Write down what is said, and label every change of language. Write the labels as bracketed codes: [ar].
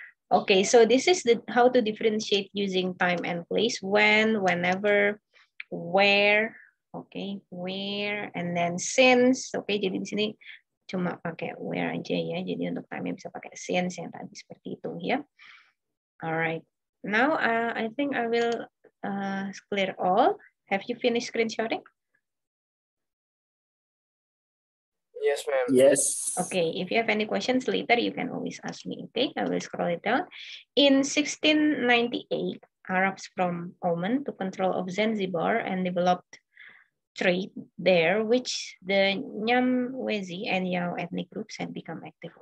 [en] Okay, so this is the how to differentiate using time and place. When, whenever, where, okay, where, and then since. [id] Okay, jadi di sini cuma pakai where aja ya. Jadi untuk time-nya bisa pakai since yang tadi seperti itu ya. [en] Alright, now I think I will clear all. Have you finished screenshotting? Yes, ma'am. Yes. Okay, if you have any questions later, you can always ask me. Okay, I will scroll it down. In 1698, Arabs from Oman took control of Zanzibar and developed trade there, which the Nyamwezi and Yao ethnic groups had become active.